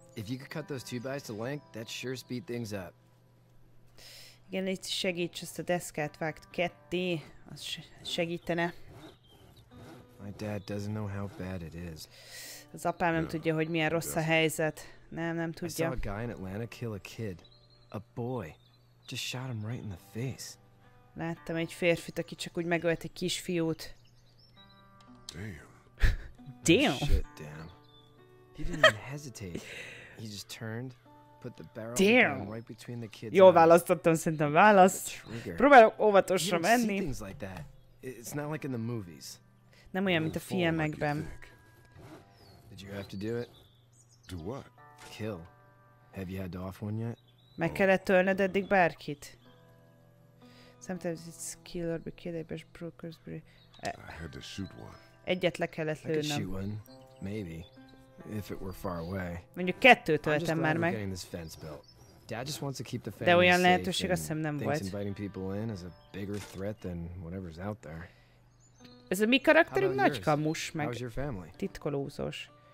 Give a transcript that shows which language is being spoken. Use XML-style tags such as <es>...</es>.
<en>If you could cut those two bys to length, that sure speed things up.</en> <hu>Igen, légy segíts, ezt a deszkát vágt ketté, az segítene.</hu> <en>My dad doesn't know how bad it is.</en> <hu>Az apám nem tudja, hogy milyen rossz a helyzet. Nem tudja.</hu> <en>I saw a guy in Atlanta kill a kid. A boy. Just shot him right in the face.</en> <hu>Láttam egy férfit, aki csak úgy megölt egy kisfiút.</hu> <en>Damn. Damn. Shit, damn. He didn't even hesitate. He just turned, put the barrel down right between the kid's eyes.</en> <hu>Jól választottam, szerintem választ. Próbálok óvatosra menni.</hu> <en>It's not like in the movies.</en> <hu>Nem olyan, mint a filmekben.</hu> <en>Did you have to do it? Do what? Kill. Have you had to off one yet?</en> <hu>Meg kellett ölned eddig bárkit?</hu> <en>Sometimes it's kill or be killed, but brokers be... I had to shoot one.</en> <hu>Egyet le kellett lőnöm.</hu> <en>I could shoot one. Maybe. If it were far away.</en> <hu>Mondjuk kettőt öltem már meg.</hu> <en>Getting this fence built. Dad just wants to keep the family safe.</en> <hu>De olyan lehetőség azt hiszem nem volt.</hu> <en>Thinks inviting people in is a bigger threat than whatever's out there.</en> <hu>Ez a mi karakterünk nagy kamus, meg titkolózós.</hu>